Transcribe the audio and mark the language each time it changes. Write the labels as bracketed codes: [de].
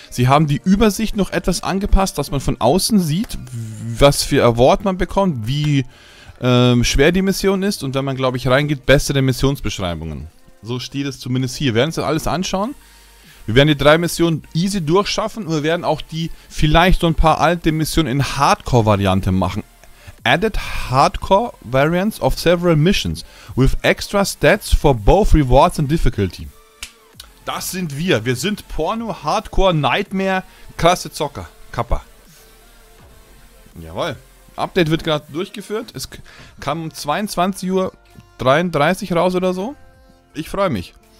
[de] Sie haben die Übersicht noch etwas angepasst, dass man von außen sieht, was für Award man bekommt, wie schwer die Mission ist. Und wenn man, glaube ich, reingeht, bessere Missionsbeschreibungen. So steht es zumindest hier. Wir werden uns das alles anschauen. Wir werden die drei Missionen easy durchschaffen. Und wir werden auch die vielleicht so ein paar alte Missionen in Hardcore-Variante machen. [en] Added hardcore variants of several missions with extra stats for both rewards and difficulty. [de] Das sind wir. Wir sind Porno Hardcore Nightmare krasse Zocker. Kappa. Jawohl. Update wird gerade durchgeführt. Es kam um 22:33 Uhr raus oder so. Ich freue mich.